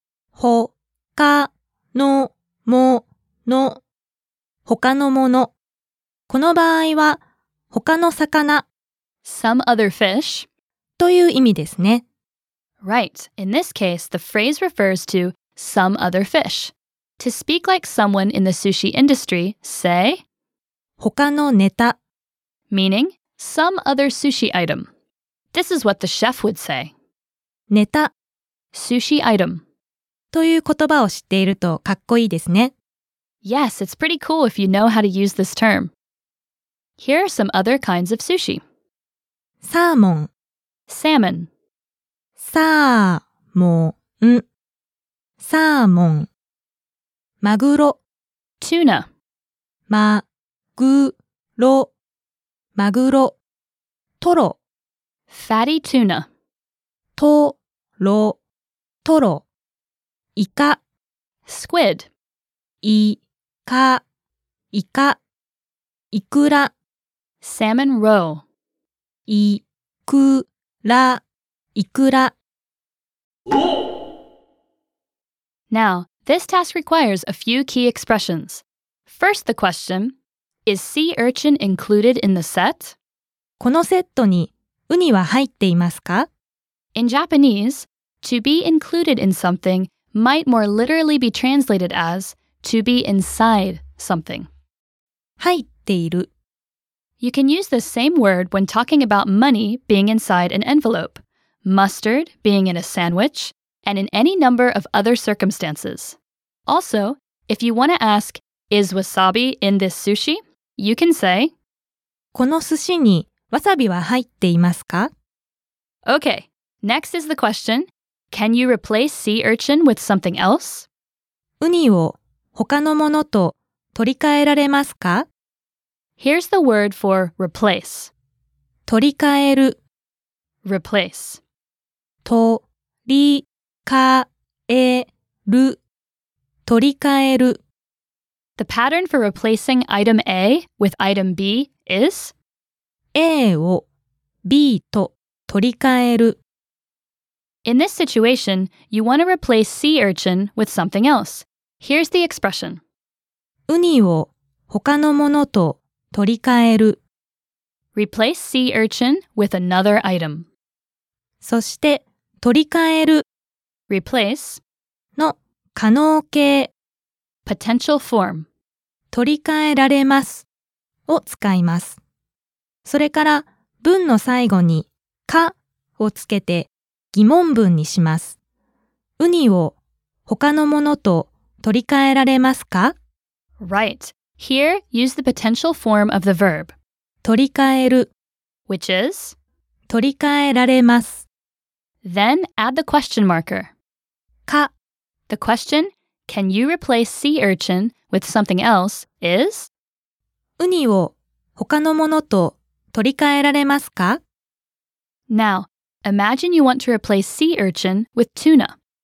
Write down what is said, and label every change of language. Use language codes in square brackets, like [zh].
[ja] 他のもの他のものこの場合は、他の魚 [en] Some other fish [ja] という意味ですね。 [en] Right. In this case, the phrase refers to some other fish. To speak like someone in the sushi industry, say [ja] 他のネタ [en] Meaning, some other sushi item. This is what the chef would say. [ja] ネタ [en] Sushi item [ja] という言葉を知っているとかっこいいですね。 [en] Yes, it's pretty cool if you know how to use this term. Here are some other kinds of sushi. [ja] サーモン [en] Salmon. [ja] サーモン サーモン マグロ [en] Tuna. [ja] マグロ マグロ トロ [en] Fatty tuna. [ja] トロ トロイカ [en] Squid. [ja] イカイカイクラ [en] Salmon roe. [ja] イクライクラ [en] Now, this task requires a few key expressions. First, the question, is sea urchin included in the set? [ja] このセットにウニは入っていますか? [en] In Japanese, to be included in something might more literally be translated as to be inside something. [ja] 入っている。 [en] You can use the same word when talking about money being inside an envelope, mustard being in a sandwich, and in any number of other circumstances. Also, if you want to ask, is wasabi in this sushi? You can say, [ja] この寿司にわさびは入っていますか? [en] Okay, next is the question, can you replace sea urchin with something else? [ja] ウニを他のものと取り替えられますか? [en] Here's the word for replace. [ja] 取り替える [en] Replace. [ja] 取り替える取り替える [en] The pattern for replacing item A with item B is? [ja] A を B と取り替える [en] In this situation, you want to replace sea urchin with something else. Here's the expression. [ja] ウニを他のものと取り替える [en] Replace sea urchin with another item. [ja] そして取り替える [en] Replace [ja] の可能形 [en] Potential form [ja] 取り替えられますを使いますそれから文の最後にかをつけて疑問文にしますウニを他のものと取り替えられますか [en] Right. Here, use the potential form of the verb. [ja] 取り替える [en] Which is? [ja] 取り替えられます [en] Then, add the question marker. [ja] か [en] The question, can you replace sea urchin with something else, is? [ja] ウニを他のものと取り替えられますか [en] Now, imagine you want to replace sea urchin with tuna.